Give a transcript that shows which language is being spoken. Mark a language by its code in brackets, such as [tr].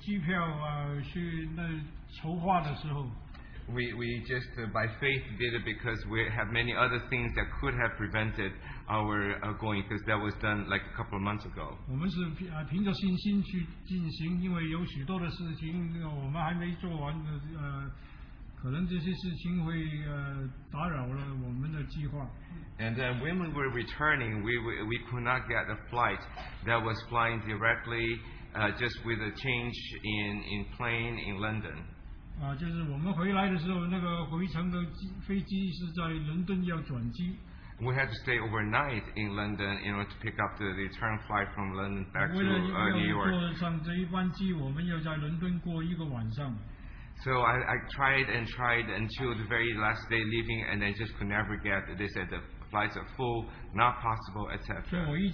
[zh] 最早当我们去买机票去那筹划的时候, [en] we just by faith did it because we have many other things that could have prevented our going because that was done like a couple of months ago. [zh] 我们是凭着信心去进行, 因为有许多的事情, 我们还没做完, 可能这些事情会, 打扰了我们的计划。 [en] And then when we were returning, we could not get a flight that was flying directly just with a change in plane in London. [zh] 就是我们回来的时候,那个回程的飞机是在伦敦要转机。 [en] We had to stay overnight in London in order to pick up the return flight from London back to New York. [zh] 为了要坐上这一班机,我们要在伦敦过一个晚上。 [en] So I tried and tried until the very last day leaving, and I just could never get, they said the flights are full, not possible, etc.